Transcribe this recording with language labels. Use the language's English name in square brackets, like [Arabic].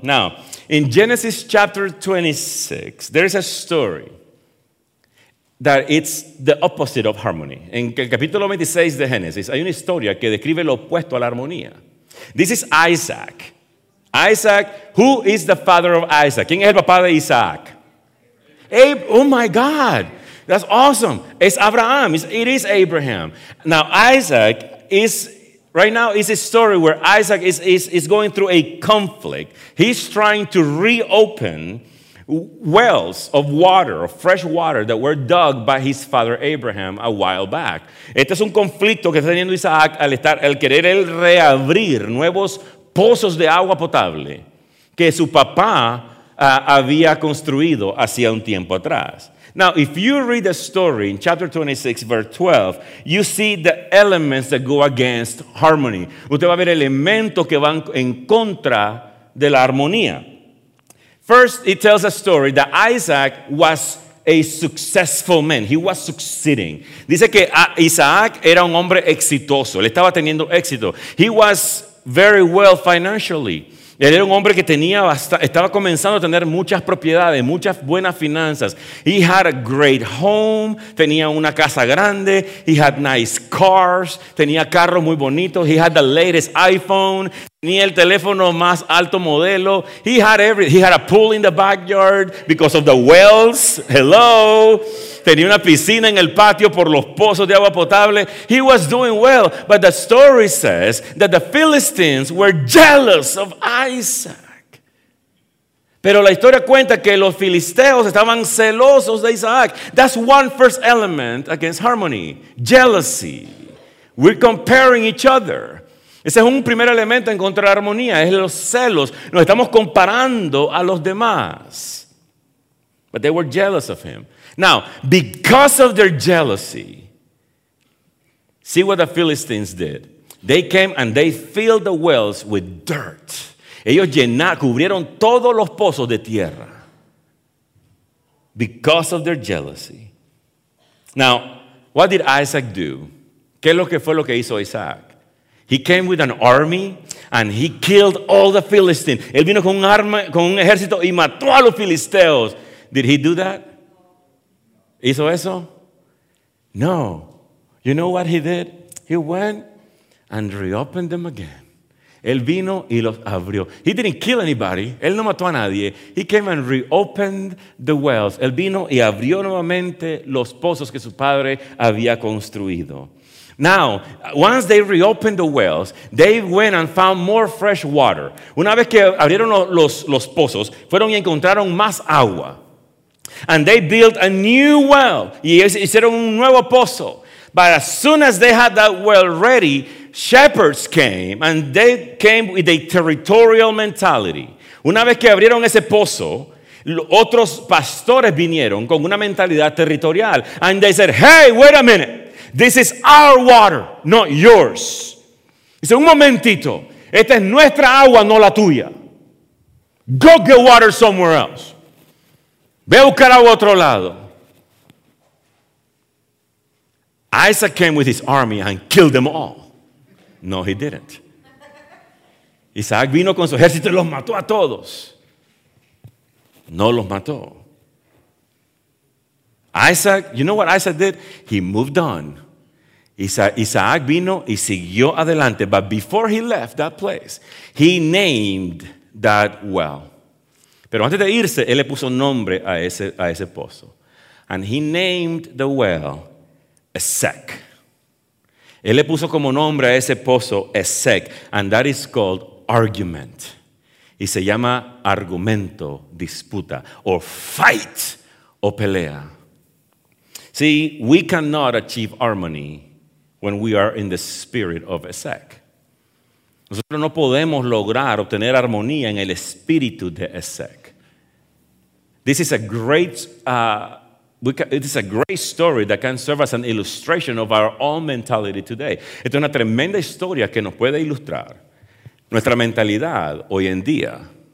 [English] Now, in Genesis chapter 26, there is a story that it's the opposite of harmony. [Spanish] En el capítulo 26 de Génesis, hay una historia que describe lo opuesto a la armonía. [English] This is Isaac. Isaac, who is the father of Isaac? [Spanish] ¿Quién es el papá de Isaac? [English] Oh my God. That's awesome. It's Abraham. It is Abraham. Now, Isaac is, right now, is a story where Isaac is going through a conflict. He's trying to reopen wells of water, of fresh water, that were dug by his father Abraham a while back. [Spanish] Este es un conflicto que está teniendo Isaac al estar, al querer él reabrir nuevos pozos de agua potable que su papá había construido hacía un tiempo atrás. [English] Now, if you read the story in chapter 26, verse 12, you see the elements that go against harmony. [Spanish] Usted va a ver elementos que van en contra de la armonía. [English] First, it tells a story that Isaac was a successful man. He was succeeding. [Spanish] Dice que Isaac era un hombre exitoso. Él estaba teniendo éxito. [English] He was very well financially. [Spanish] Él era un hombre que tenía estaba comenzando a tener muchas propiedades, muchas buenas finanzas. [English] He had a great home, [Spanish] tenía una casa grande. [English] He had nice cars, [Spanish] tenía carros muy bonitos. [English] He had the latest iPhone, [Spanish] tenía el teléfono más alto modelo. [English] He had everything. He had a pool in the backyard because of the wells. Hello. [Spanish] Tenía una piscina en el patio por los pozos de agua potable. [English] He was doing well. But the story says that the Philistines were jealous of Isaac. [Spanish] Pero la historia cuenta que los filisteos estaban celosos de Isaac. [English] That's one first element against harmony. Jealousy. We're comparing each other. [Spanish] Ese es un primer elemento en contra de la armonía. Es los celos. Nos estamos comparando a los demás. [English] But they were jealous of him. Now, because of their jealousy, see what the Philistines did. They came and they filled the wells with dirt. [Spanish] Ellos cubrieron todos los pozos de tierra. [English] Because of their jealousy. Now, what did Isaac do? [Spanish] ¿Qué es lo que fue lo que hizo Isaac? [English] He came with an army and he killed all the Philistines. [Spanish] Él vino con un ejército y mató a los filisteos. [English] Did he do that? [Spanish] ¿Hizo eso? [English] No. You know what he did? He went and reopened them again. [Spanish] Él vino y los abrió. [English] He didn't kill anybody. [Spanish] Él no mató a nadie. [English] He came and reopened the wells. [Spanish] Él vino y abrió nuevamente los pozos que su padre había construido. [English] Now, once they reopened the wells, they went and found more fresh water. [Spanish] Una vez que abrieron los pozos, fueron y encontraron más agua. [English] And they built a new well. [Spanish] Y hicieron un nuevo pozo. [English] But as soon as they had that well ready, shepherds came, and they came with a territorial mentality. [Spanish] Una vez que abrieron ese pozo, otros pastores vinieron con una mentalidad territorial. [English] And they said, hey, wait a minute. This is our water, not yours. [Spanish] Dice, un momentito. Esta es nuestra agua, no la tuya. [English] Go get water somewhere else. [Spanish] Ve a buscar agua a otro lado. [English] Isaac came with his army and killed them all. No, he didn't. [Spanish] Isaac vino con su ejército y los mató a todos. No los mató. [English] Isaac, you know what Isaac did? He moved on. [Spanish] Isaac vino y siguió adelante. [English] But before he left that place, he named that well. [Spanish] Pero antes de irse, él le puso nombre a ese pozo. [English] And he named the well Esek. [Spanish] Él le puso como nombre a ese pozo Esek. [English] And that is called argument. [Spanish] Y se llama argumento, disputa, [English] or fight, [Spanish] o pelea. [English] See, we cannot achieve harmony when we are in the spirit of Esek. [Spanish] Nosotros no podemos lograr obtener armonía en el espíritu de Esek. [English] This is a great story that can serve as an illustration of our own mentality today. [Spanish] Esta es una tremenda historia que nos puede ilustrar nuestra mentalidad hoy en día.